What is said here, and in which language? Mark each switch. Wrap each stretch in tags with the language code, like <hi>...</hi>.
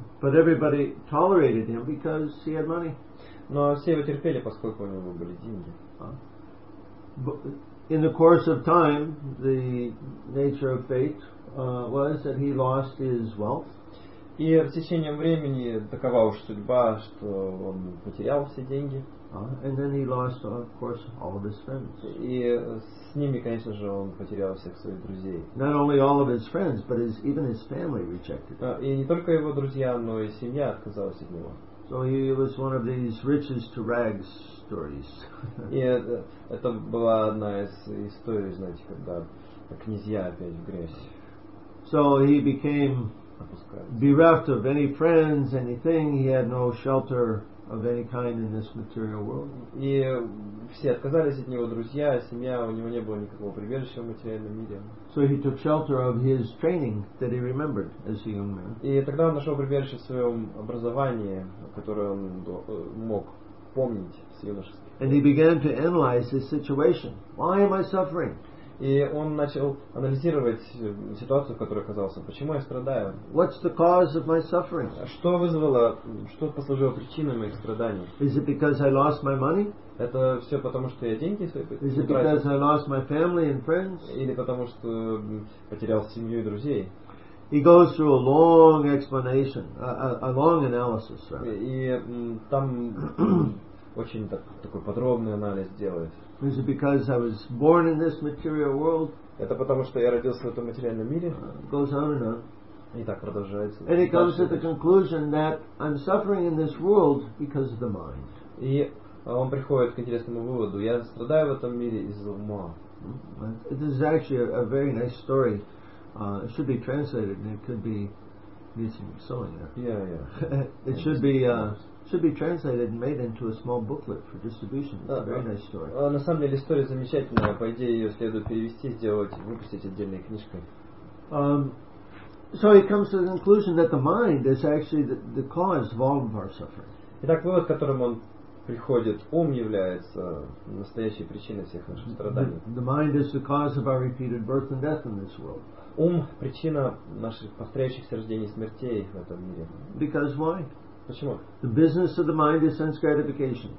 <en>But everybody tolerated him because he had money.</en> <ru>Но все его терпели, поскольку у него были деньги.</ru> <en>In the course of time, the nature of fate was that he lost his wealth.</en> <ru>И в течение времени такова уж судьба, что он потерял все деньги.</ru> <en>And then he lost, of course, all of his friends.</en> <ru>И с ними, конечно же, он потерял всех своих друзей.</ru> <en>Not only all of his friends, but even his family rejected him.</en> <ru>И не только его друзья, но и семья отказалась от него.</ru> <en>So he was one of these riches to rags stories.</en> <ru>И это была одна из историй, знаете, когда князья опять в грязь.</ru> <en>So he became bereft of any friends, anything. He had no shelter of any kind in this material world.</en> <ru>И все отказались от него, друзья, семья, у него не было никакого прибежища в материальном мире.</ru> <en>So he took shelter of his training that he remembered as a young man.</en> <ru>И тогда он нашел прибежище в своем образовании, которое он мог помнить с юношеских.</ru> <en>And he began to analyze his situation. Why am I suffering?</en> <ru>И он начал анализировать ситуацию, в которой оказался. Почему я страдаю?</ru> <en>What's the cause of my suffering?</en> <ru>Что вызвало, что послужило причиной моих страданий?</ru> <en>Is it because I lost my money?</en> <ru>Это все потому, что я деньги свои потерял?</ru> <en>Is it because I lost my family and friends?</en> <ru>Или потому, что потерял семью и друзей?</ru> <en>He goes through a long explanation, a long analysis.</en> <ru>И там очень такой подробный анализ делает.</ru> <en>Is it because I was born in this material world?</en> <ru>Это потому, что я родился в этом материальном мире?</ru> <en>Goes on and on.</en> <ru>И так продолжается.</ru> <en>And he comes to the conclusion that I'm suffering in this world because of the mind.</en> <ru>И он приходит к интересному выводу. Я страдаю в этом мире из-за ума.</ru> <en>This is actually a very nice story. It should be translated and it could be missing something there. Yeah. It should be should be translated and made into a small booklet for distribution. It's a very nice story.</en> <ru>На самом деле история замечательная. По идее ее следует перевести, сделать, выпустить отдельной книжкой.</ru> <en>So he comes to the conclusion that the mind is actually the cause of all of our suffering.</en> <ru>Итак, вывод, к которому он приходит, ум является настоящей причиной всех наших страданий.</ru> <en>The mind is the cause of our repeated birth and death in this world.</en> <ru>Ум причина наших повторяющихся рождений и смертей в этом мире.</ru> <en>Because why?</en> <ru>Почему?</ru> <en>The business of the mind is sense gratification.</en>